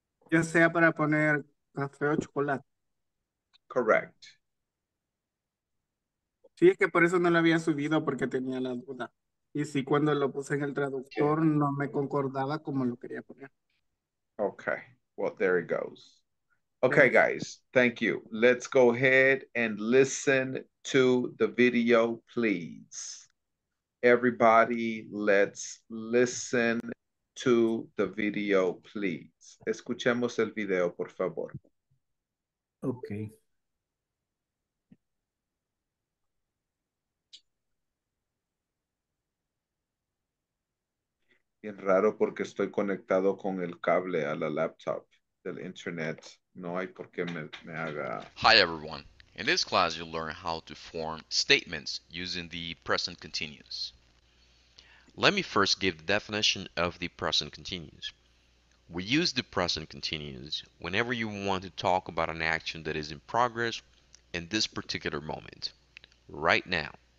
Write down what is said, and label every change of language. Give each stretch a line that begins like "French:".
Spanish: Ya sea para poner café o chocolate.
English: Correct.
Spanish: Sí, es que por eso no lo había subido, porque tenía la duda. Y sí, cuando lo puse en el traductor, no me concordaba como lo quería poner.
English: Okay, well, there it goes. Okay, guys, thank you. Let's go ahead and listen to the video, please. Everybody, let's listen to the video, please.
Spanish: Escuchemos el video, por favor.
English: Okay.
Spanish: Bien raro porque estoy conectado con el cable a la laptop del internet. No hay por qué me haga...
English: Hi, everyone. In this class, you'll learn how to form statements using the present continuous. Let me first give the definition of the present continuous. We use the present continuous whenever you want to talk about an action that is in progress in this particular moment, right now.